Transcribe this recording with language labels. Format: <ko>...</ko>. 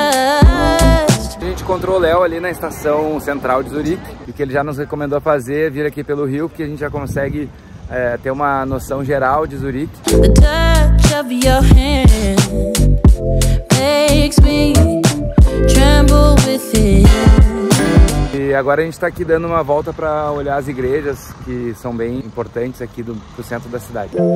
<pt>A gente encontrou o Léo ali na estação central de Zurique, e que ele já nos recomendou fazer, vir aqui pelo rio, porque a gente já consegue ter uma noção geral de Zurique.</pt> <en>The touch of your hand makes me tremble with it.</en> <pt>E agora a gente está aqui dando uma volta para olhar as igrejas, que são bem importantes aqui do centro da cidade.</pt>